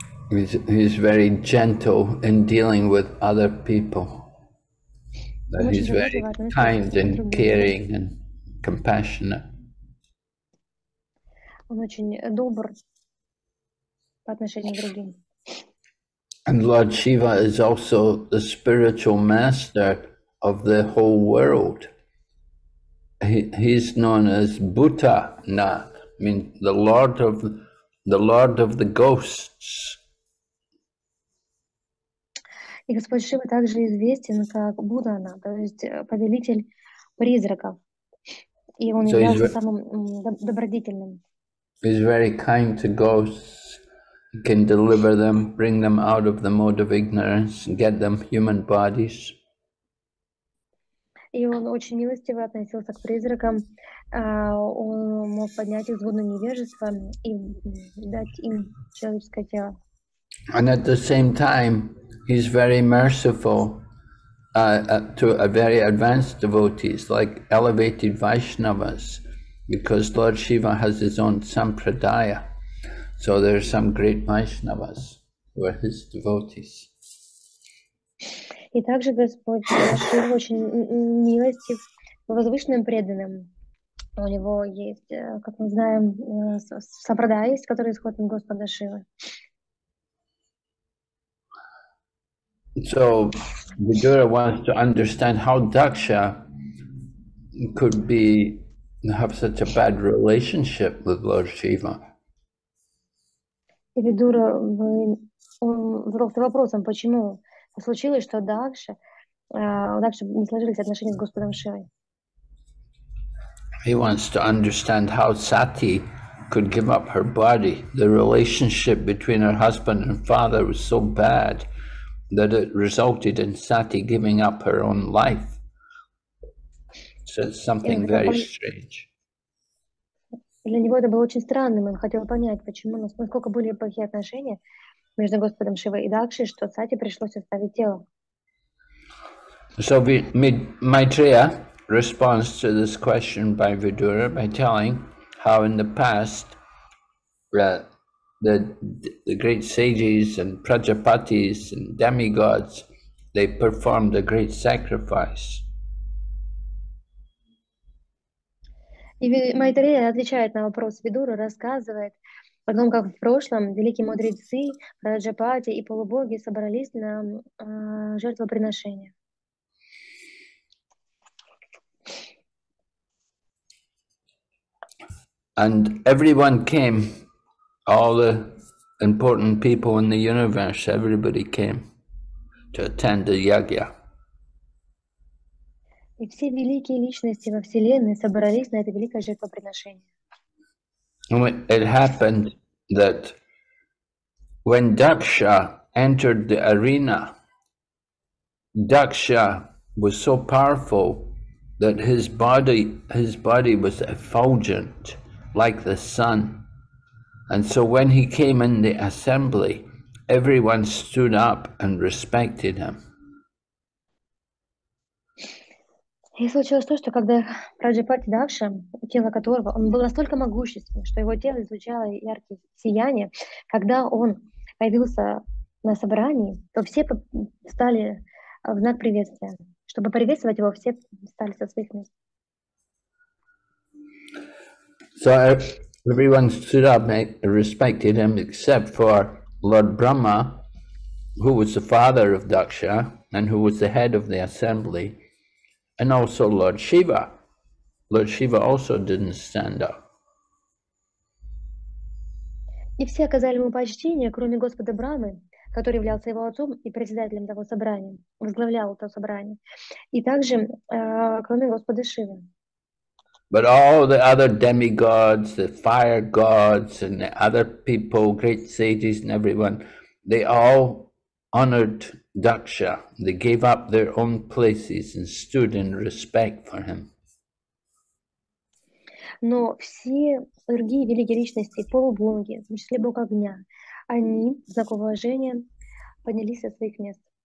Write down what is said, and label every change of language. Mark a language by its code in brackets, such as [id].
[en] He's very gentle in dealing with other people. That he's very kind and caring and compassionate. [ru] Он очень добр по отношению к другим. [en] And Lord Shiva is also the spiritual master of the whole world. He's known as Bhuta Nath, I mean the Lord of the ghosts. [ru] И Господь Шива также известен как Будана, то есть повелитель призраков. И он является самым добродетельным. [en] He's very kind to ghosts. He can deliver them, bring them out of the mode of ignorance, get them human bodies. [ru] И он очень милостиво относился к призракам. Он мог поднять их с блудного невежества и дать им человеческое тело. [en] And at the same time, he's very merciful to a very advanced devotees, like elevated Vaishnavas, because Lord Shiva has his own sampradaya. So there are some great Vaishnavas who are his devotees. [ru] И также Господь Шива очень милостив возвышенным преданным. У него есть, как мы знаем, сампрадая есть, который исходит от Господа Шивы. [en] So Vidura wants to understand how Daksha could be have such a bad relationship with Lord Shiva. [ru] И Vidura задался вопросом, почему случилось, что Дакша не сложились отношения с Господом Шивой. [en] He wants to understand how Sati could give up her body. The relationship between her husband and father was so bad that it resulted in Sati giving up her own life. So it's something very strange. [ru] Для него это было очень странным. Он хотел понять, почему, насколько были плохие отношения между Господом Шивой и Дакшей, что Сати пришлось оставить тело. [en] So Maitreya responds to this question by Vidura by telling how in the past the great sages and prajapatis and demigods, they performed a great sacrifice. [ru] И Майтрея отвечает на вопрос Видуры, рассказывает о том, как в прошлом великие мудрецы, праджапати и полубоги собрались на жертвоприношение. [en] And everyone came. All the important people in the universe, everybody came to attend the yagya. [ru] И все великие личности во вселенной собрались на это великое жертвоприношение. [en] It happened that when Daksha entered the arena, Daksha was so powerful that his body was effulgent like the sun. And so when he came in the assembly, everyone stood up and respected him. [ru] И случилось то, что когда Праджапати Дакша, тело которого, он был настолько могущественным, что его тело излучало яркое сияние, когда он появился на собрании, то все встали в знак приветствия. Чтобы приветствовать его, все встали со своих мест. [en] So everyone stood up and respected him, except for Lord Brahma, who was the father of Daksha, and who was the head of the assembly. And also Lord Shiva. Lord Shiva also didn't stand up. [ru] И все оказали ему почтение, кроме Господа Брамы, который являлся его отцом и председателем того собрания, возглавлял то собрание. И также, кроме Господа Шивы. [en] But all the other demigods, the fire gods, and the other people, great sages and everyone, they all honored Daksha. They gave up their own places and stood in respect for him. [ru] Но все другие великие личности, полубунги, в числе Бога огня, они в знак уважения поднялись со своих мест.